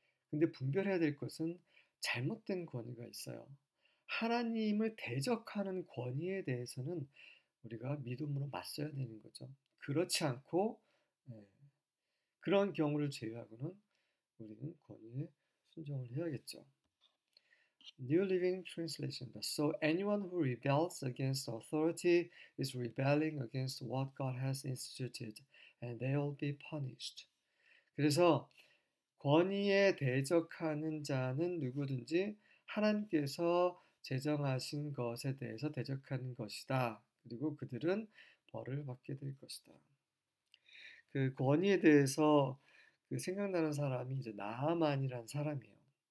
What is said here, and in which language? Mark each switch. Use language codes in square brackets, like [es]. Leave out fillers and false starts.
[ko] 근데 분별해야 될 것은 잘못된 권위가 있어요. 하나님을 대적하는 권위에 대해서는 우리가 믿음으로 맞서야 되는 거죠. 그렇지 않고 그런 경우를 제외하고는 우리는 권위에 순종을 해야겠죠. [en] New Living Translation. So anyone who rebels against authority is rebelling against what God has instituted, and they will be punished. [ko] 그래서 권위에 대적하는 자는 누구든지 하나님께서 제정하신 것에 대해서 대적하는 것이다. 그리고 그들은 벌을 받게 될 것이다. 그 권위에 대해서 그 생각나는 사람이 이제 나아만이란 사람이에요.